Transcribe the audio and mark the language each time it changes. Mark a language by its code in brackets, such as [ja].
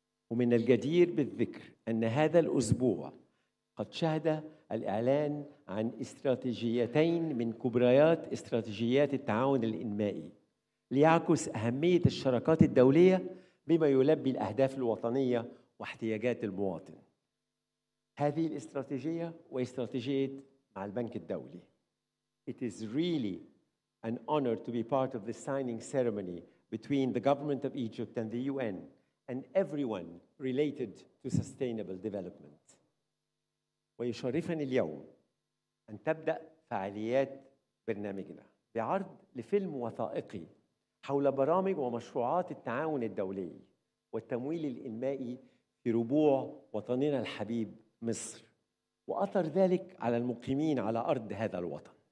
[ar] ومن الجدير بالذكر أن هذا الأسبوع قد شهد الإعلان عن استراتيجيتين من كبريات استراتيجيات التعاون الإنمائي ليعكس أهمية الشراكات الدولية بما يلبي الأهداف الوطنية واحتياجات المواطن. هذه الاستراتيجية واستراتيجية مع البنك الدولي. [en] It is really an honor to be part of the signing ceremony between the government of Egypt and the UN and everyone related to sustainable development. [ar] ويشرفني اليوم أن تبدأ فعاليات برنامجنا بعرض لفيلم وثائقي حول برامج ومشروعات التعاون الدولي والتمويل الإنمائي في ربوع وطننا الحبيب مصر وأثر ذلك على المقيمين على أرض هذا الوطن.